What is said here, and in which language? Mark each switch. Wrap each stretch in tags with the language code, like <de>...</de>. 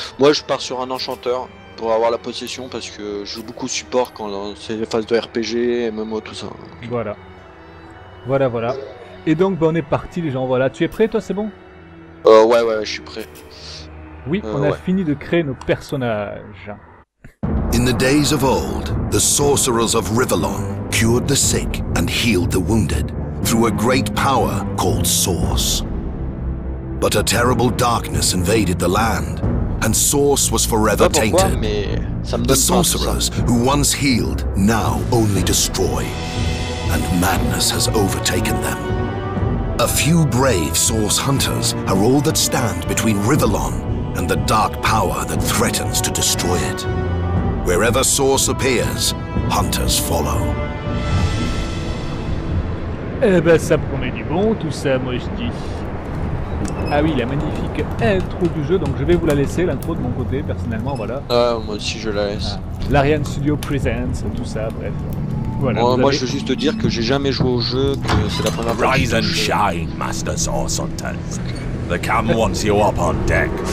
<fr>Moi, je pars sur un enchanteur pour avoir la possession parce que je joue beaucoup support quand c'est les phases de RPG, MMO, tout ça. Voilà. Voilà. Et donc, bah, on est parti, les gens, voilà. Tu es prêt, toi, c'est bon? Ouais, je suis prêt. Oui, on a fini de créer nos personnages.</fr> <en>In the days of old, the sorcerers of Rivellon cured the sick and healed the wounded through a great power called Source. But a terrible darkness invaded the land, and Source was forever tainted. The sorcerers who once healed now only destroy, and madness has overtaken them. A few brave Source hunters are all that stand between Rivellon and the dark power that threatens to destroy it. Wherever Source appears, hunters follow.</en> <fr>Eh ben, ça promet du bon, tout ça, moi je dis. Ah oui, la magnifique intro du jeu, donc je vais vous la laisser, l'intro de mon côté, personnellement, voilà. Moi aussi je la laisse. Ah, l'Ariane Studio Presents, tout ça, bref. Voilà, moi je veux juste te dire que j'ai jamais joué au jeu, que c'est la première fois</fr> <en>Rise and shine, Master Source Hunters. The cam wants you up on deck.</en>